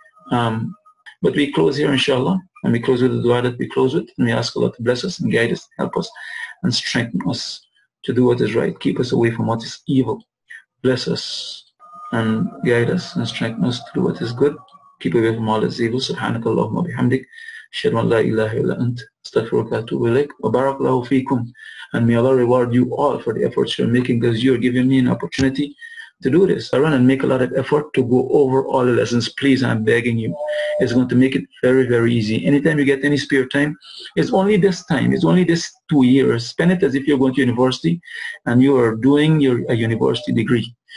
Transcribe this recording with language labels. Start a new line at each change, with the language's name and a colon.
English: But we close here, inshallah. And we close with the dua that we close with. And we ask Allah to bless us and guide us, help us and strengthen us to do what is right. Keep us away from what is evil. Bless us and guide us and strengthen us to do what is good. Keep away from all that is evil.
Arabic: Subhanakallahumma bihamdik. أشهد أن لا إله إلا أنت أستغفرك وأتوب إليك وبارك الله فيكم.
English: And may Allah reward you all for the efforts you're making, because you're giving me an opportunity to do this. I run and make a lot of effort to go over all the lessons. Please, I'm begging you. It's going to make it very, very easy. Anytime you get any spare time, it's only this time. It's only this 2 years. Spend it as if you're going to university and you are doing a university degree.